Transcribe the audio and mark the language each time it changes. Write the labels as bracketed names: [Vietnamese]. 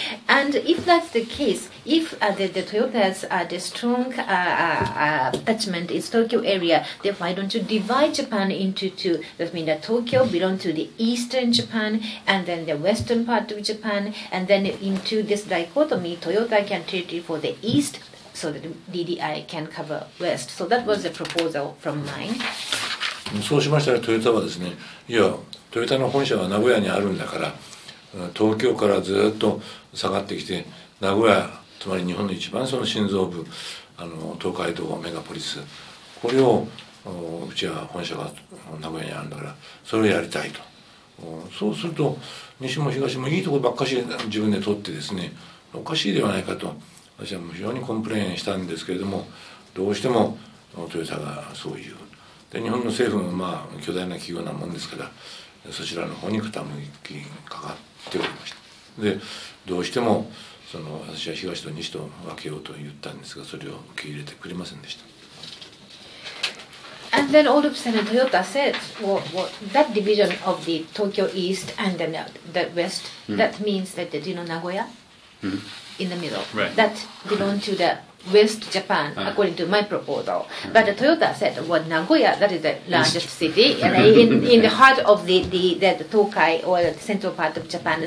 [English] And if that's the case, if the Toyota's the strong attachmentis Tokyo area, therefore why don't you divide Japan into two? That means that Tokyo belongs to the eastern Japan and then the western part of Japan, and then into this dichotomy, Toyota can territory for the east so that DDI can cover west. So that was the proposal from mine. [Japanese] そうしましたら、トヨタはですね、いや、トヨタの本社は名古屋にあるんだから、東京からずっと下がってきて、名古屋、つまり日本の一番その心臓部、東海道メガポリス、これをうちは本社が名古屋にあるんだからそれをやりたいと、そうすると西も東もいいところばっかし自分で取ってですね、おかしいではないかと私は非常にコンプレインしたんですけれども、どうしてもトヨタがそういう、で日本の政府もまあ巨大な企業なもんですからそちらの方に傾きかかっておりました。でどうしても私は東と西と分けようと言ったんですが、それを受け入れてくれませんでした。 [English] And then all of a sudden Toyota said, well, that division of the Tokyo East and then the West, that means that, you know, Nagoya in the middle, that belong to the West Japan, according to my proposal. But Toyota said, well, Nagoya, that is the largest city, and in the heart of the Tokai, or the central part of Japan.